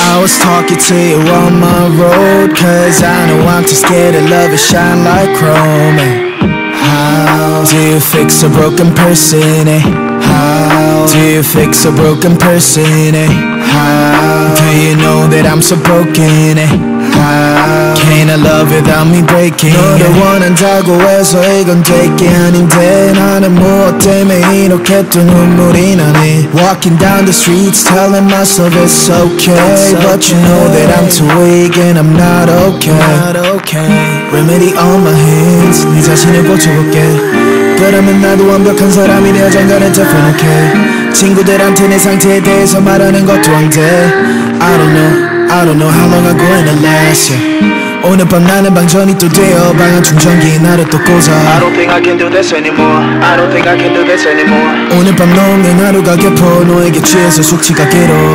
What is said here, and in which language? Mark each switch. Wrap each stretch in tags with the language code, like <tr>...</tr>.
<en>I was talking to you on my road, cause I know I'm too scared of love, it shine like chrome. Do you fix a broken person, eh? How? Do you fix a broken person, eh? How? Do you know that I'm so broken, eh? How? Can't I love without me breaking?</en> <ko>너를 원한다고 해서 이건 될게 아닌데 나는 무엇 때문에 이렇게 또 눈물이 나네.</ko> <en>Walking down the streets telling myself it's okay, but you know that I'm too weak and I'm not okay. Remedy on my hands,</en> <ko>네 자신을 고쳐볼게. 그러면 나도 완벽한 사람이 되어 장가를 접근할게. 친구들한테 내 상태에 대해서 말하는 것도 안 돼.</ko> <en>I don't know how long I'm going to last, yeah.</en> <ko>오늘 밤 나는 방전이 또 되어 방한 충전기 나를 또 꽂아.</ko> <en>I don't think I can do this anymore.</en> <ko>오늘 밤 너는 하루가 깊어 너에게 취해서 숙취가 길어.</ko>